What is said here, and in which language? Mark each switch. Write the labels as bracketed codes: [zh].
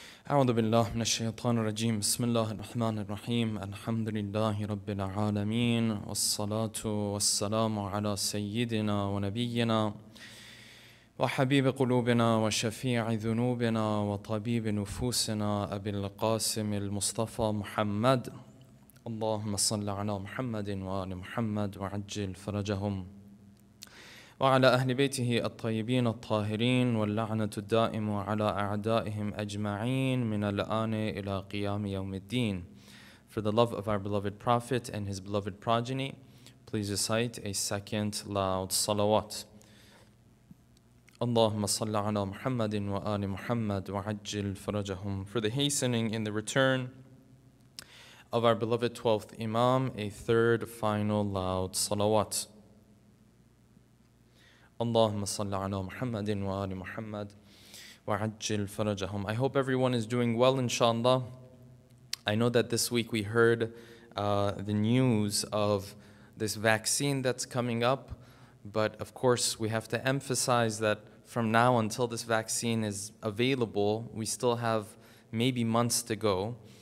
[ar] أعوذ بالله من الشيطان الرجيم بسم الله الرحمن الرحيم الحمد لله رب العالمين والصلاة والسلام على سيدنا ونبينا وحبيب قلوبنا وشفيع ذنوبنا وطبيب نفوسنا أبي القاسم المصطفى محمد اللهم صل على محمد وآل محمد وعجل فرجهم وعلى أهل بيته الطيبين الطاهرين واللعنة الدائمة على أعدائهم أجمعين من الآن إلى قيام يوم الدين. [en] For the love of our beloved Prophet and his beloved progeny, please recite a second loud salawat. [ar] اللهم صل على محمد وآل محمد وعجل فرجهم. [en] For the hastening in the return of our beloved 12th Imam, a third final loud salawat. [ar] اللهم صل على محمد وآل محمد وعجل فرجهم. [en] I hope everyone is doing well, inshallah. I know that this week we heard the news of this vaccine that's coming up, but of course we have to emphasize that from now until this vaccine is available, we still have maybe months to go.